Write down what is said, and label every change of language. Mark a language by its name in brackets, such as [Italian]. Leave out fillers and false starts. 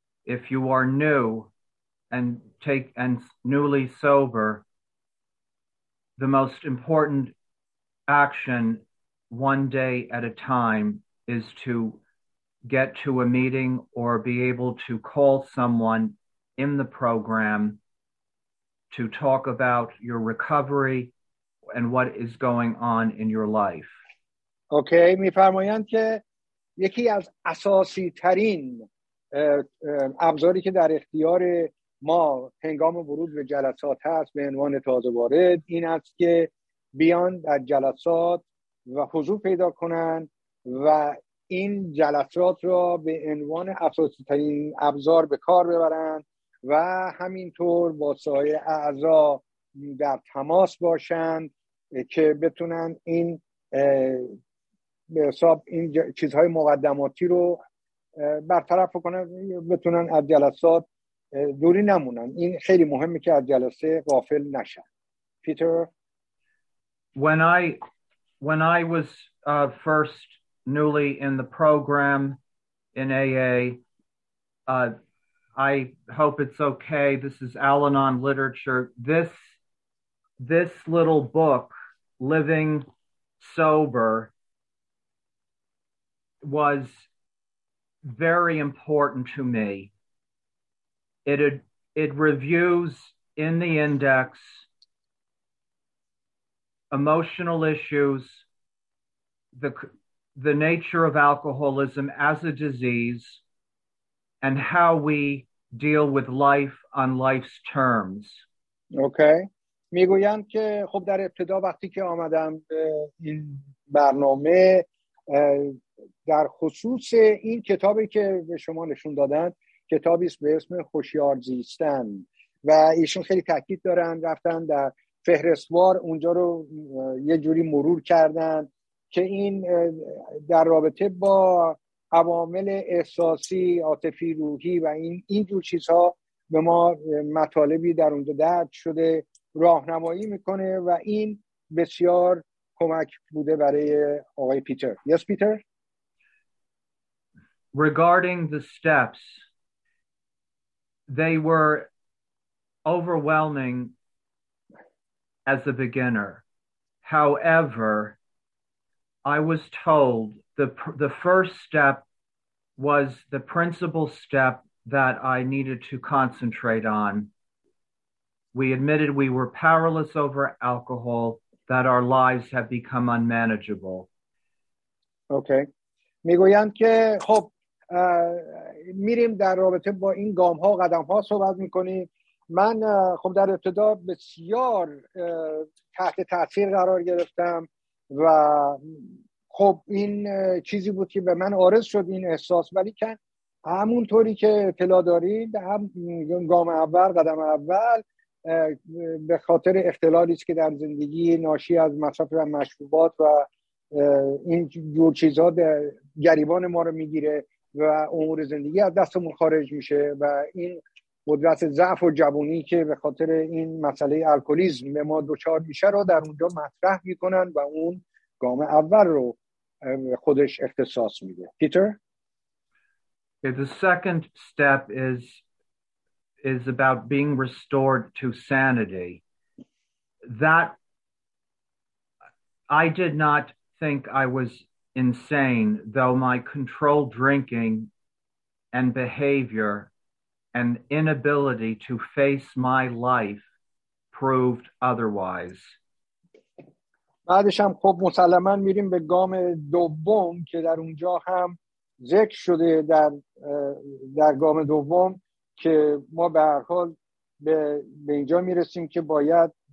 [English] If you are new and newly sober, the most important action one day at a time is to get to a meeting or be able to call someone in the program to talk about your recovery and what is going on in your life. [Persian] Okay, می فرمایند که یکی از اساسی ترین ابزاری که در اختیار ما هنگام ورود به جلسات هست به عنوان تازه وارد این است که بیان در جلسات و حضور پیدا کنند و این جلسات را به عنوان اساسی ترین ابزار به کار ببرند و همینطور با سایر اعضا در تماس باشند که بتونند این به حساب این چیزهای مقدماتی رو برطرف کنند، بتونن از جلسات دوری نمونن. این خیلی مهمه که از جلسه غافل نشن. پیتر، [English] When I was first newly in the program in AA, I hope it's okay. This is Al-Anon literature. This little book, Living Sober, was very important to me. It reviews in the index emotional issues, the nature of alcoholism as a disease, and how we deal with life on life's terms. Okay. [Persian] میگویند که خب در ابتدا وقتی که آمدم به این برنامه در خصوص این کتابی که به شما نشون دادن، کتابی است به اسم هوشیار زیستن، و ایشون خیلی تاکید دارن، رفتن در فهرستوار اونجا رو یه جوری مرور کردن که این در رابطه با عوامل احساسی، عاطفی، روحی و این جور چیزها به ما مطالبی در اونجا درج شده، راهنمایی میکنه و این بسیار کمک بوده برای آقای پیتر. [English] Yes, Peter. Regarding the steps, they were overwhelming as a beginner. However, I was told the first step was the principal step that I needed to concentrate on. We admitted we were powerless over alcohol, that our lives have become unmanageable. Okay. [Persian] میگویند که خب میریم در رابطه با این گام ها و قدم ها صحبت میکنیم. من خب در ابتدا بسیار تحت تاثیر قرار گرفتم و خب این چیزی بود که به من عارض شد این احساس، ولی که همونطوری که اطلاع دارید هم گام اول، قدم اول، به خاطر اختلالی است که در زندگی ناشی از مصرف و مشروبات و این جور چیزها گریبان ما رو میگیره و امور زندگی از دستمون خارج میشه و این قدرت ضعف و جوونی که به خاطر این مسئله الکلیسم به ما دچار میشه رو در اونجا مطرح میکنن و اون گام اول رو خودش اختصاص میده. پیتر؟ [English] The second step is about being restored to sanity. That I did not think I was insane, though my controlled drinking and behavior and inability to face my life proved otherwise. [Persian] بعدش هم خب مسلما میریم به گام دوم که در اونجا هم ذکر شده در گام دوم، که ما به هر حال به اینجا میرسیم که باید